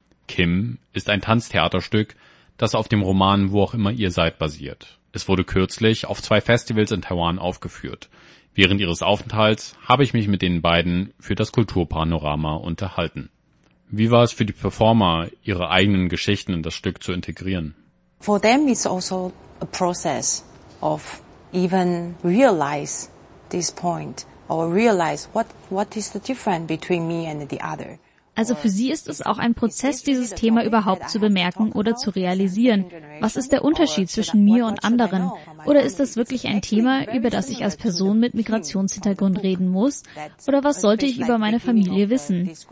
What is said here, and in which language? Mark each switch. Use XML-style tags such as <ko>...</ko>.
<de>Kim ist ein Tanztheaterstück, das auf dem Roman Wo auch immer ihr seid basiert. Es wurde kürzlich auf zwei Festivals in Taiwan aufgeführt. Während ihres Aufenthalts habe ich mich mit den beiden für das Kulturpanorama unterhalten. Wie war es für die Performer, ihre eigenen Geschichten in das Stück zu integrieren?</de> <en>For them it's also a process of even realize this point or realize what is the difference between me and the other.</en> <de>Also für sie ist es auch ein Prozess, dieses Thema überhaupt zu bemerken oder zu realisieren. Was ist der Unterschied zwischen mir und anderen? Oder ist das wirklich ein Thema, über das ich als Person mit Migrationshintergrund reden muss? Oder was sollte ich über meine Familie wissen?</de>